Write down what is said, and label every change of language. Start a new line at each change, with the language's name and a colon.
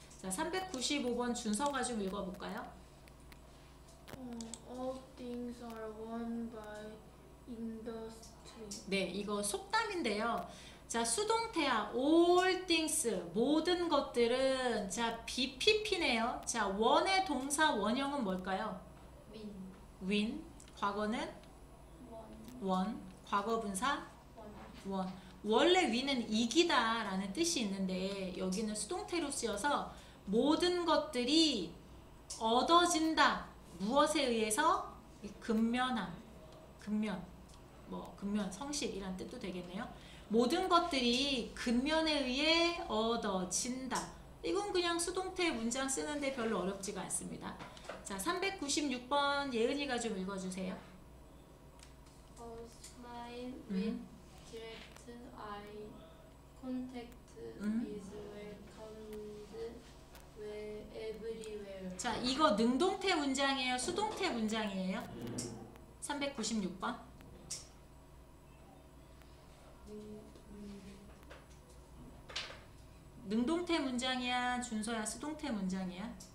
Korean: 자, 395번 준서가 좀 읽어볼까요?
English: All things are won by industry.
Korean: 네, 이거 속담인데요. 자, 수동태야.
English: All things,
Korean: 모든 것들은. 자, BPP네요. 자, 원의 동사 원형은 뭘까요?
English: Win.
Korean: Win. 과거는?
English: Won.
Korean: 과거 분사?
English: Won.
Korean: 원래 win은 이기다 라는 뜻이 있는데 여기는 수동태로 쓰여서 모든 것들이 얻어진다. 무엇에 의해서? 근면함. 근면. 뭐 근면, 성실이란 뜻도 되겠네요. 모든 것들이 근면에 의해 얻어진다. 이건 그냥 수동태 문장 쓰는데 별로 어렵지가 않습니다. 자, 396번 예은이가 좀 읽어주세요.
English: A smile with direct eye contact is welcomed everywhere.
Korean: 자, 이거 능동태 문장이에요? 수동태 문장이에요? 396번. 능동태 문장이야, 준서야, 수동태 문장이야?